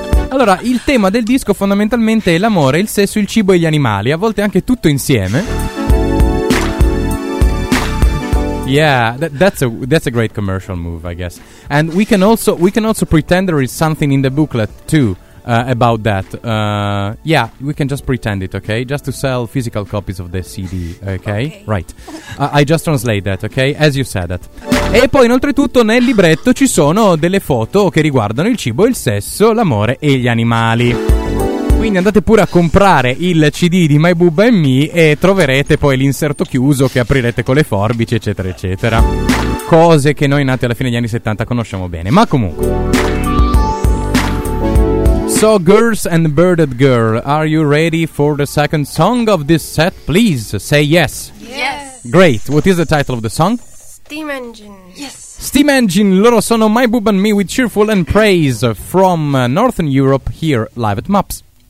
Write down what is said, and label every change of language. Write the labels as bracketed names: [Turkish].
[Italian] Allora, il tema del disco fondamentalmente è l'amore, il sesso, il cibo e gli animali. A volte anche tutto insieme. [English] Yeah, that's a great commercial move, I guess. And we can also pretend there is something in the booklet, too. About that, yeah, we can just pretend it, okay? Just to sell physical copies of the CD, okay? Right. I just translate that, okay? As you said that. [Italian] E poi, inoltretutto, nel libretto ci sono delle foto che riguardano il cibo, il sesso, l'amore e gli animali. Quindi andate pure a comprare il CD di My Bubba and Me e troverete poi l'inserto chiuso che aprirete con le forbici, eccetera, eccetera. Cose che noi nati alla fine degli anni 70 conosciamo bene, ma comunque. [English] So, girls and birded girl, are you ready for the second song of this set? Please say yes. Yes. Great. What is the title of the song? Steam Engine. Yes. Steam Engine. [Italian] Loro sono My Bub and Me [English] with Cheerful and Praise from Northern Europe here live at MAPS.